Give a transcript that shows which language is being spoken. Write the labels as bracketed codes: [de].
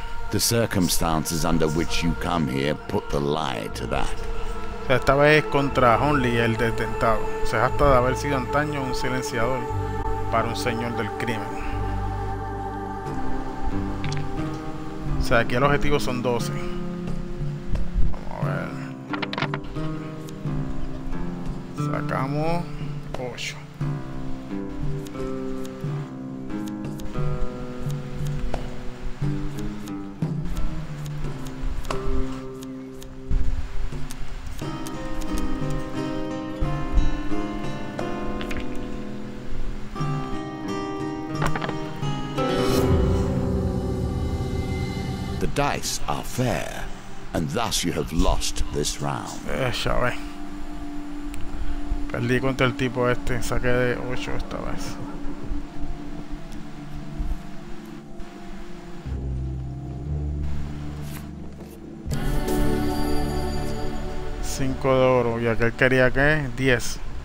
[en] The circumstances under which you come here put the lie to that. [es] Esta vez contra Honley, el detentado. Se jacta de haber sido antaño un silenciador para un señor del crimen. O sea, aquí el objetivo son 12. Vamos a ver. Sacamos 8. [en] Dice are fair, and thus you have lost this round. [es] Ya ve. Perdí contra el tipo este, saqué de 8 esta vez. Cinco de oro, y aquel quería que 10.